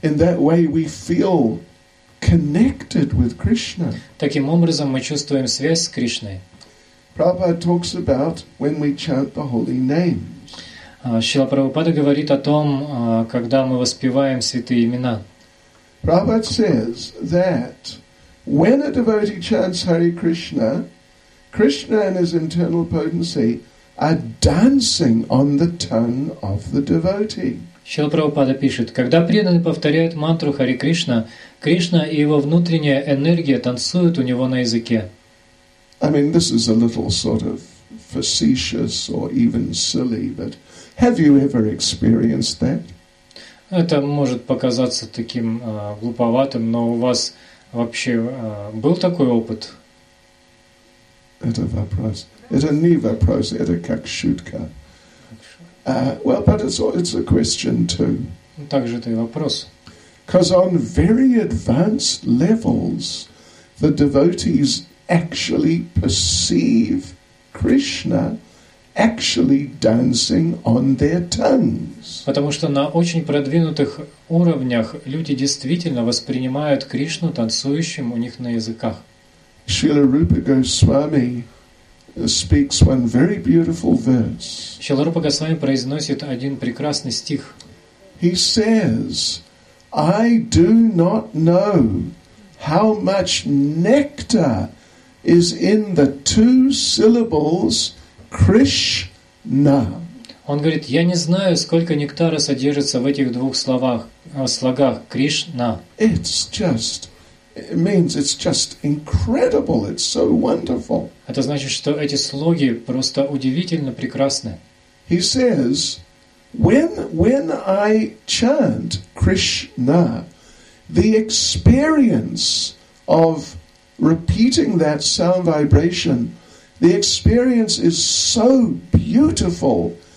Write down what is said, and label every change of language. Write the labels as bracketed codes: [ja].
[en] In that way we feel connected with Krishna. [ru] Таким образом мы чувствуем связь с Кришной. [en] Prabhupada talks about when we chant the holy names. [ru] Шрила Прабхупада говорит о том, когда мы воспеваем святые имена. [en] Prabhupada says that when a devotee chants Hare Krishna, Krishna and his internal potency are dancing on the tongue of the devotee. [ru] Шрила Прабхупада пишет, когда преданный повторяет мантру Хари Кришна, Кришна и его внутренняя энергия танцуют у него на языке. [en] I mean, this is a little sort of facetious or even silly, but have you ever experienced that? [ru] Это может показаться таким глуповатым, но у вас вообще был такой опыт? Это вопрос. Это не вопрос, это как шутка. [en] Well, but it's a question too. [ru] Также это и вопрос. [en] Because on very advanced levels, the devotees actually perceive Krishna actually dancing on their tongues. [ru] Потому что на очень продвинутых уровнях люди действительно воспринимают Кришну танцующим у них на языках. [en] Srila Rupa Goswami speaks one very beautiful verse. [ru] Srila Rupa Goswami произносит один прекрасный стих. [en] He says, I do not know how much nectar is in the two syllables Krishna. [ru] Он говорит, я не знаю, сколько нектара содержится в этих двух словах, слогах Кришна. [en] It's just, it means it's just incredible. It's so wonderful. [ru] Это значит, что эти слоги просто удивительно прекрасны. [en] He says, when I chant Krishna, the experience of repeating that sound vibration, the experience is so beautiful.